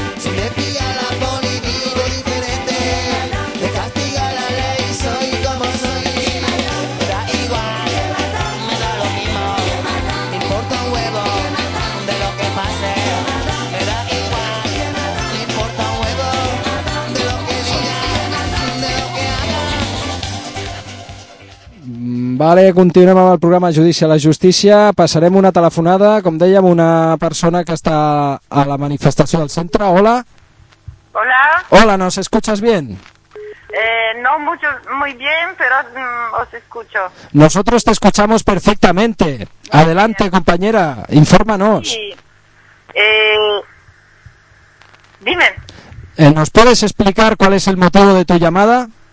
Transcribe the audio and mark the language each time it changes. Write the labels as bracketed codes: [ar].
[es] Si me pilla la poli, vivo diferente, me castiga la ley, soy como soy. Me da igual, me da lo mismo, me importa un huevo de lo que pase. Me da igual, me importa un huevo de lo que diga, de lo que haga. [ca] Vale, continuem amb el programa Judici a la Justícia. Passarem una telefonada, com dèiem, una persona que està a la manifestació del centre. [es] Hola. Hola. Hola, ¿nos escuchas bien? No mucho, muy bien, pero os escucho. Nosotros te escuchamos perfectamente. Gracias. Adelante, compañera, infórmanos. Sí. Dime. ¿Nos puedes explicar cuál es el motivo de tu llamada?